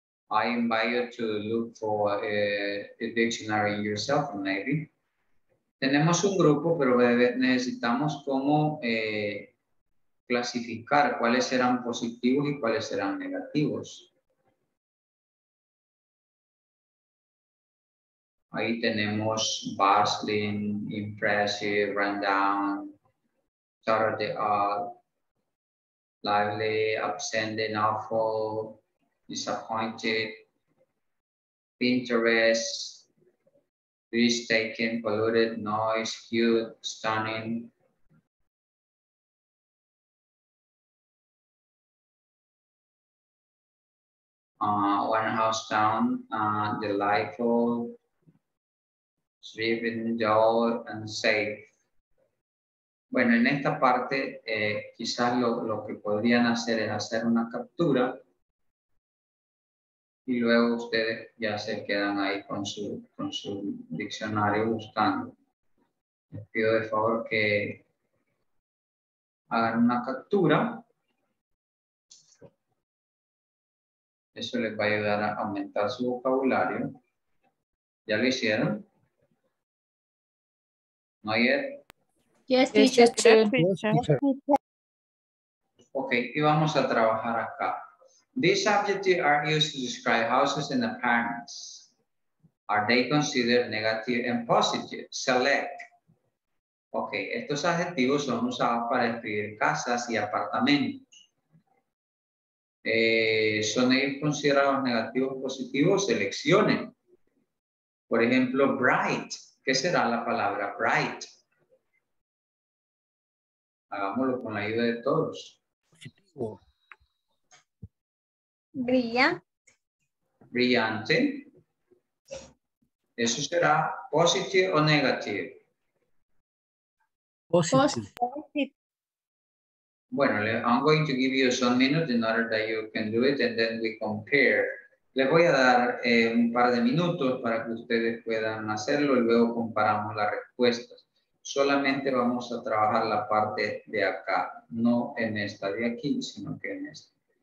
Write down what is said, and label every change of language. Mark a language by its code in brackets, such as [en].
[en] I invite you to look for a dictionary yourself, maybe. [es] Tenemos un grupo, pero necesitamos cómo clasificar cuáles serán positivos y cuáles serán negativos. Ahí tenemos [en] bustling, impressive, rundown, start of the art. lively, absent, awful, disappointed, Pinterest, risk taken, polluted, noise, cute, stunning. One house down, delightful, sleeping, dull, and safe. [es] Bueno, en esta parte, quizás lo que podrían hacer es hacer una captura y luego ustedes ya se quedan ahí con su diccionario buscando. Les pido de favor que hagan una captura. Eso les va a ayudar a aumentar su vocabulario. ¿Ya lo hicieron? ¿No ayer? [en] Yes, teacher. [es] Ok, y vamos a trabajar acá. [en] These adjectives are used to describe houses and apartments. Are they considered negative and positive? Select. [es] Ok, estos adjetivos son usados para describir casas y apartamentos. ¿Son ellos considerados negativos o positivos? Seleccionen. Por ejemplo, bright. ¿Qué será la palabra bright? Hagámoslo con la ayuda de todos. Positivo. Brillante. Brillante. ¿Eso será positive o negative? [en] Positive. [es] Bueno, [en] I'm going to give you some minutes in order that you can do it, and then we compare. [es] Les voy a dar un par de minutos para que ustedes puedan hacerlo y luego comparamos las respuestas. Solamente vamos a trabajar la parte de acá, no en esta de aquí, sino que en esta.